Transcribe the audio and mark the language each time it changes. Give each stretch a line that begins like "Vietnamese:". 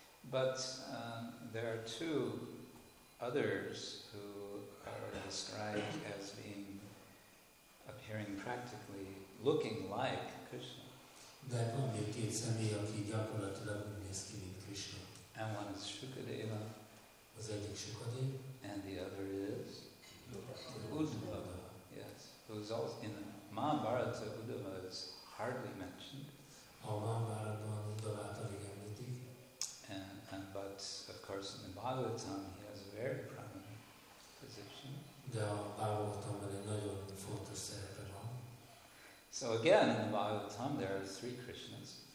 English: But there are two others who are described as being appearing practically looking like Krishna.
Hungarian: De van még két személy, aki gyakorlatilag úgy néz ki, mint Krishna.
English: And one is Sukadeva.
Hungarian: Az egyik Sukadeva.
English: And the other is Uddhava. Yes. Who's also in Mahabharata, Uddhava is hardly mentioned.
Hungarian: A Mahabharatban Uddhava alig említik.
English: And but of course in the Bhagavatam he has a very prominent position.
Hungarian: De a Bhagavatamban egy nagyon fontos szerepe van.
English: So again, in the Bhagavatam, there are three Krishnas.